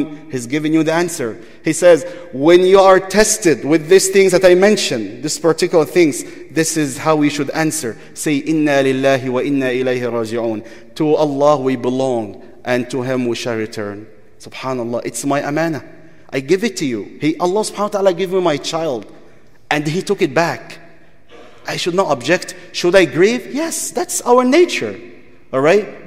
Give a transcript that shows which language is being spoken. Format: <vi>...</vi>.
<en>He's giving you the answer. He says, when you are tested with these things that I mentioned, these particular things, this is how we should answer.</en> <ar>Say, إِنَّا لِلَّهِ وَإِنَّا إِلَيْهِ رَاجِعُونَ.</ar> <en>To Allah we belong, and to Him we shall return. Subhanallah, it's my amana. I give it to you. Allah subhanahu wa ta'ala gave me my child, and He took it back. I should not object. Should I grieve? Yes, that's our nature. All right?</en>